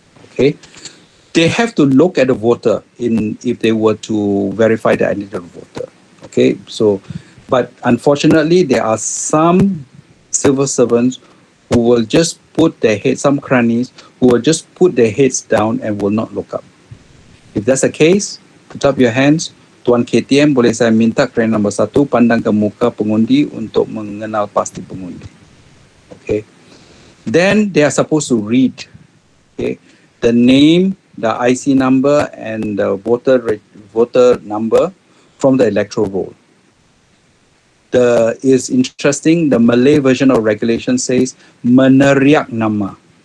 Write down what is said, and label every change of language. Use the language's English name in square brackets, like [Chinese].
[English] Okay, they have to look at the voter in if they were to verify the identity of the voter. Okay, so but unfortunately, there are some civil servants who will just put their heads, some crannies who will just put their heads down and will not look up. If that's the case, put up your hands. [Malay] Tuan KTM, boleh saya minta kerana nombor satu pandang ke muka pengundi untuk mengenal pasti pengundi. [English] Okay. Then they are supposed to read, okay, the name, the IC number, and the voter number from the electoral roll. It's interesting, the Malay version of regulation says [Malay] meneriak nama.